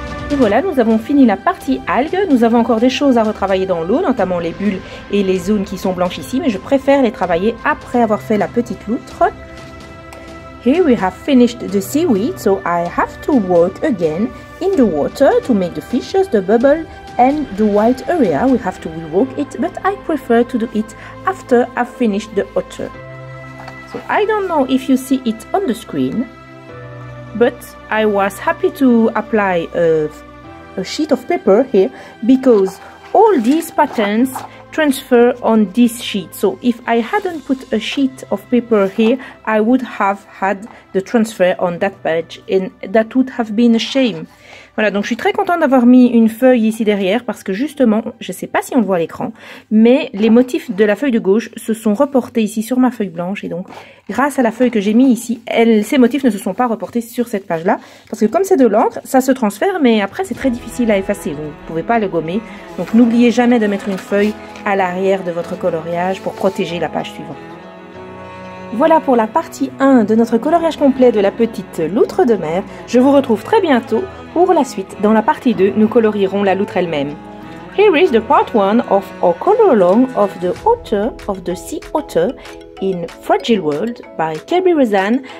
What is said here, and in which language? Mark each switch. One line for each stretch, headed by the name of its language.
French: Et voilà, nous avons fini la partie algues. Nous avons encore des choses à retravailler dans l'eau, notamment les bulles et les zones qui sont blanches ici, mais je préfère les travailler après avoir fait la petite loutre.
English: Here we have finished the seaweed, so I have to work again in the water to make the fishes, the bubble and the white area. We have to rework it, but I prefer to do it after I've finished the otter. So I don't know if you see it on the screen, but I was happy to apply a sheet of paper here because all these patterns transfer on this sheet. So if I hadn't put a sheet of paper here, I would have had the transfer on that page and that would have been a shame.
French: Voilà, donc je suis très contente d'avoir mis une feuille ici derrière parce que justement, je ne sais pas si on le voit à l'écran, mais les motifs de la feuille de gauche se sont reportés ici sur ma feuille blanche. Et donc, grâce à la feuille que j'ai mis ici, ces motifs ne se sont pas reportés sur cette page-là. Parce que comme c'est de l'encre, ça se transfère, mais après c'est très difficile à effacer. Vous ne pouvez pas le gommer. Donc n'oubliez jamais de mettre une feuille à l'arrière de votre coloriage pour protéger la page suivante. Voilà pour la partie 1 de notre coloriage complet de la petite loutre de mer. Je vous retrouve très bientôt pour la suite. Dans la partie 2, nous colorierons la loutre elle-même.
English: Here is the part 1 of our color along of the otter, of the sea otter in Fragile World by Kirby Rosan.